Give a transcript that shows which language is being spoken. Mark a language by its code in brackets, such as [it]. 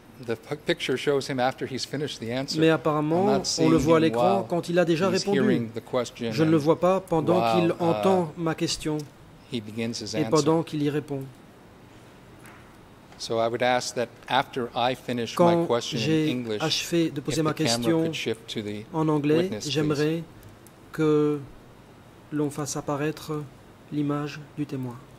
[en] The picture shows him after he's finished the answer. [fr] Mais apparemment, on le voit à l'écran quand il a déjà répondu. Je ne le vois pas pendant qu'il entend ma question et pendant qu'il y répond. [en] So I would ask that after I finish my question in English, [fr] quand j'ai achevé de poser ma question en anglais, j'aimerais que l'on fasse apparaître l'image du témoin.